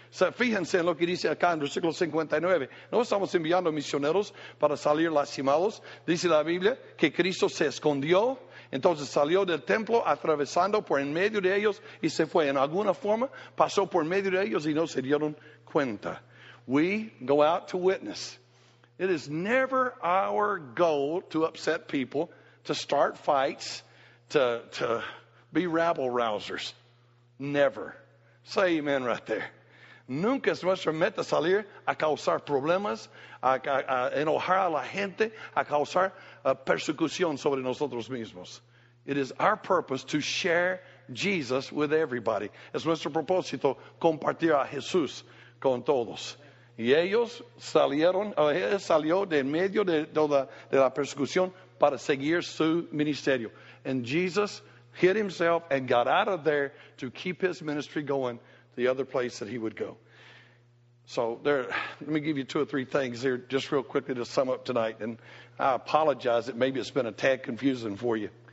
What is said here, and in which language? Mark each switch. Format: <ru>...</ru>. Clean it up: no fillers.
<es>So fíjense en lo que dice acá en versículo 59. No estamos enviando misioneros para salir lastimados. Dice la Biblia que Cristo se escondió. Entonces salió del templo atravesando por en medio de ellos y se fue. En alguna forma pasó por medio de ellos y no se dieron cuenta.</es> <en>We go out to witness. It is never our goal to upset people, to start fights, to be rabble rousers. Never. Say amen right there.</en> <es>Nunca es nuestra meta salir a causar problemas, a enojar a la gente, a causar persecución sobre nosotros mismos.</es> <en>It is our purpose to share Jesus with everybody.</en> <es>Es nuestro propósito compartir a Jesús con todos. Y ellos salieron, él salió de en medio de la persecución para seguir su ministerio.</es> <en>And Jesus hid himself and got out of there to keep his ministry going the other place that he would go. So there, let me give you two or three things here just real quickly to sum up tonight. And I apologize that maybe it's been a tad confusing for you.</en>